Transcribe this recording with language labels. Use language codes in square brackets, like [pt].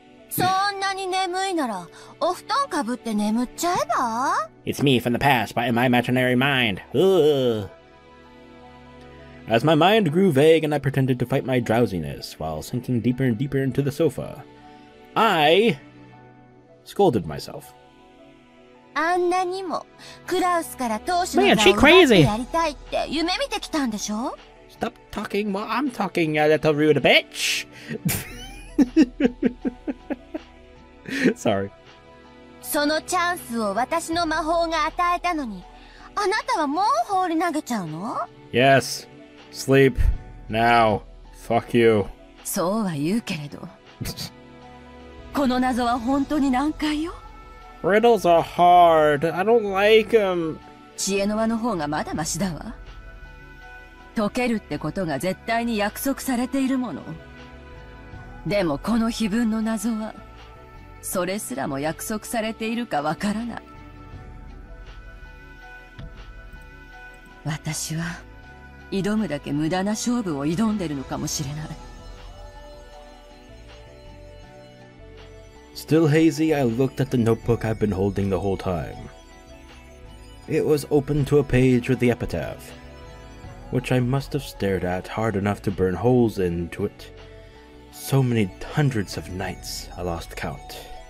[ja] そんなに眠いなら、お布団かぶって眠っちゃえば? [en] It's me from the past, but in my imaginary mind. As my mind grew vague and I pretended to fight my drowsiness while sinking deeper and deeper into the sofa, I scolded myself. [ja] あんなにもクラウスから投手の座を奪ってやりたいって夢見てきたんでしょ? [en] Stop talking while I'm talking, you little rude bitch! Sorry. [ja] そのチャンスを私の魔法が与えたのに、あなたはもう放り投げちゃうの? [en] Yes. Sleep. Now. Fuck you. [ja] そうは言うけれど。この謎は本当に難解よ。 [en] Riddles are hard. I don't like them. [ja] 知恵の輪の方がまだマシだわ。解けるってことが絶対に約束されているもの。でもこの碑文の謎は、それすらも約束されているかわからない。私は、挑むだけ無駄な勝負を挑んでるのかもしれない。 [en] Still hazy, I looked at the notebook I've been holding the whole time. It was open to a page with the epitaph, which I must have stared at hard enough to burn holes into it. So many hundreds of nights, I lost count.